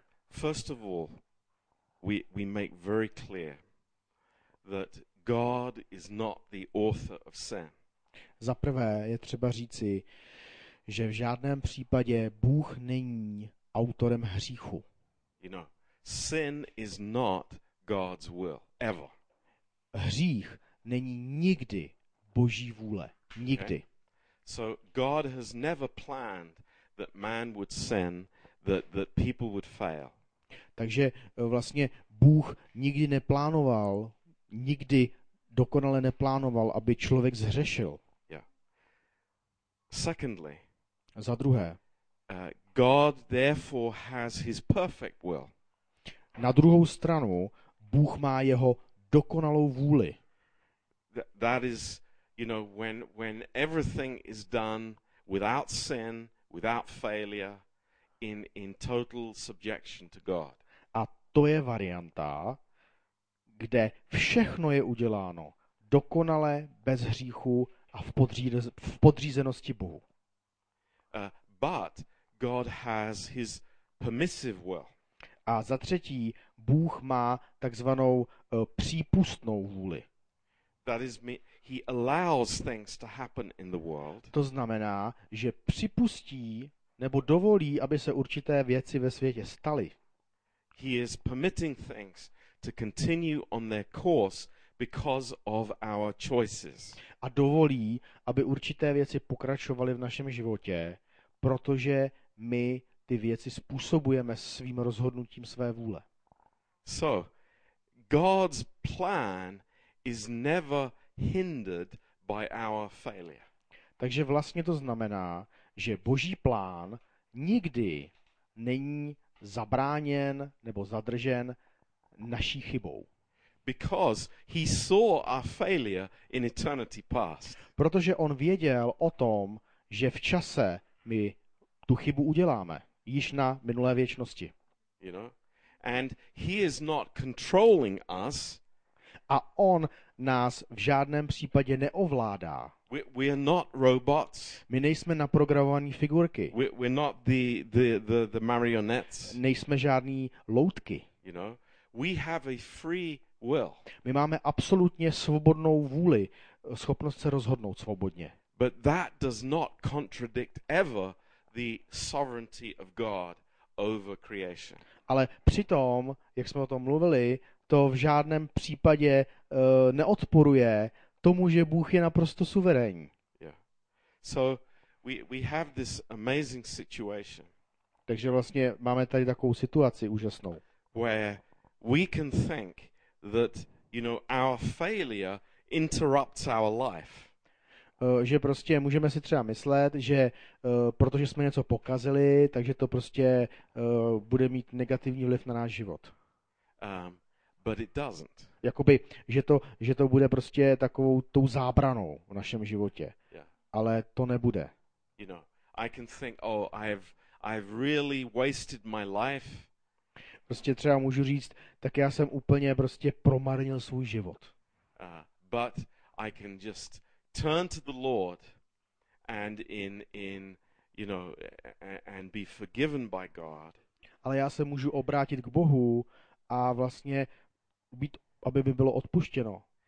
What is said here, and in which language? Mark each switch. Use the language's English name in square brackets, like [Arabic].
[English] First of all, we make very clear that God is not the author of sin. [Czech] Za prvé je třeba říci, že v žádném případě Bůh není autorem hříchu. [English] You know, sin is not God's will ever. [Czech] Hřích není nikdy Boží vůle, nikdy. [English] Okay? So God has never planned that man would sin, that people would fail. [Czech] Takže vlastně Bůh nikdy neplánoval, nikdy dokonale neplánoval, aby člověk zhřešil. [English] Yeah. Secondly, [Czech] za druhé, [English] God therefore has his perfect will. [Czech] Na druhou stranu, Bůh má jeho dokonalou vůli. [English] That is, you know, when everything is done without sin, without failure, in total subjection to God. [Czech] A to je varianta, kde všechno je uděláno dokonale bez hříchu a v podřízenosti Bohu. [English] But God has his permissive will. [Czech] A za třetí, Bůh má takzvanou přípustnou vůli. [English] That is he allows things to happen in the world. [Czech] To znamená, že připustí nebo dovolí, aby se určité věci ve světě staly. [English] He is permitting things to continue on their course because of our choices. [Czech] A dovolí, aby určité věci pokračovaly v našem životě, protože my ty věci způsobujeme svým rozhodnutím své vůle. [English] So, God's plan is never hindered by our failure. [Czech] Takže vlastně to znamená, že Boží plán nikdy není zabráněn nebo zadržen naší chybou. [English] Because he saw our failure in eternity past. [Czech] Protože on věděl o tom, že v čase my tu chybu uděláme, již na minulé věčnosti. [English] You know? And he is not controlling us. [Czech] A on nás v žádném případě neovládá. [English] We are not robots. [Czech] My nejsme naprogramované figurky. [English] We're not the marionettes. [Czech] Nejsme žádný loutky. [English] You know, we have a free will. [Czech] My máme absolutně svobodnou vůli, schopnost se rozhodnout svobodně. [English] But that does not contradict ever the sovereignty of God over creation. [Czech] Ale přitom, jak jsme o tom mluvili, to v žádném případě neodporuje tomu, že Bůh je naprosto suverénní. [English] Yeah. So we have this amazing situation. [Czech] Takže vlastně máme tady takovou situaci úžasnou. [English] Where we can think that, you know, our failure interrupts our life. [Czech] Že prostě můžeme si třeba myslet, že protože jsme něco pokazili, takže to prostě bude mít negativní vliv na náš život. [English] But it doesn't. [Czech] Jakoby, že to bude prostě takovou tou zábranou v našem životě. [English] Yeah. [Czech] Ale to nebude. [English] You know, I can think, oh, I've really wasted my life. [Czech] Prostě třeba můžu říct, tak já jsem úplně prostě promarnil svůj život. [English] But I can just turn to the Lord and in you know, and be forgiven by God. [Czech] Ale já se můžu obrátit k Bohu a vlastně být, aby mi bylo odpuštěno.